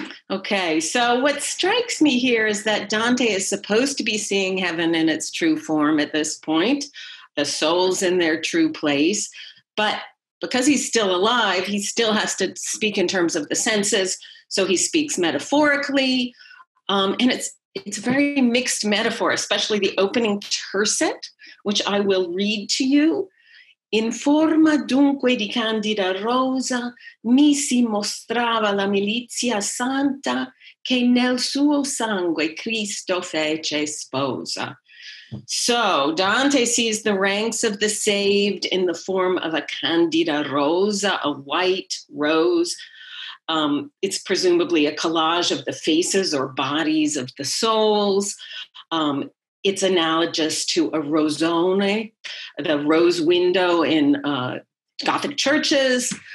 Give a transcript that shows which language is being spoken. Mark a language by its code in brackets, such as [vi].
[en] Okay, so what strikes me here is that Dante is supposed to be seeing heaven in its true form at this point, the souls in their true place. But because he's still alive, he still has to speak in terms of the senses. So he speaks metaphorically. And it's a very mixed metaphor, especially the opening tercet, which I will read to you. [it] In forma dunque di candida rosa, mi si mostrava la milizia santa che nel suo sangue Cristo fece sposa. [en] So Dante sees the ranks of the saved in the form of a candida rosa, a white rose. It's presumably a collage of the faces or bodies of the souls. It's analogous to a rosone, the rose window in Gothic churches.